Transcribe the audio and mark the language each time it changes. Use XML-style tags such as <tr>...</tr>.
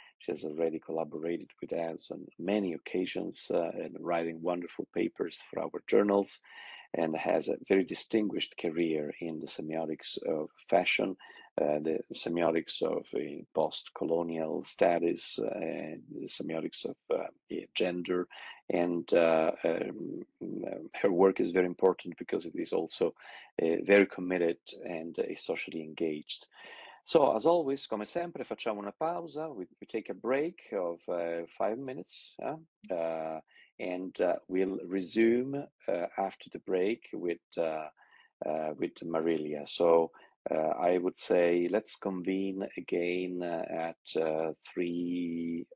<en>She has already collaborated with us on many occasions and writing wonderful papers for our journals, and has a very distinguished career in the semiotics of fashion, the semiotics of post-colonial studies, the semiotics of gender. Her work is very important because it is also very committed and socially engaged. So, as always,</en> <it>come sempre, facciamo una pausa.</it> <en>We take a break of 5 minutes, we'll resume after the break with Marilia. So, I would say let's convene again at 3.</en>